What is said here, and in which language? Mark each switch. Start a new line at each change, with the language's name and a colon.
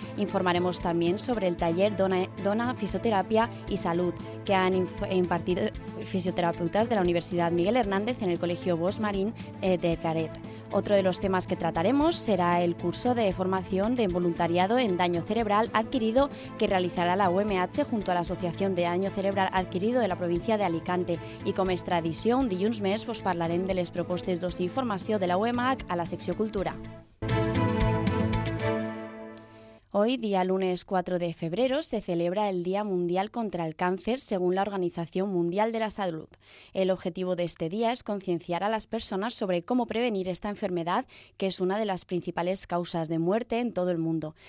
Spanish: Informaremos también sobre el taller Dona Fisioterapia y Salud, que han impartido fisioterapeutas de la Universidad Miguel Hernández en el Colegio Bosch Marín de Caret. Otro de los temas que trataremos será el curso de formación de voluntariado en daño cerebral adquirido que realizará la UMH junto a la Asociación de Daño Cerebral Adquirido de la provincia de Alicante.
Catalan: Y com es tradició, un dilluns més, pues parlarem de les propostes d'oci i formació de la UMH a la secció Cultura.
Spanish: Hoy, día lunes 4 de febrero, se celebra el Día Mundial contra el Cáncer, según la Organización Mundial de la Salud. El objetivo de este día es concienciar a las personas sobre cómo prevenir esta enfermedad, que es una de las principales causas de muerte en todo el mundo.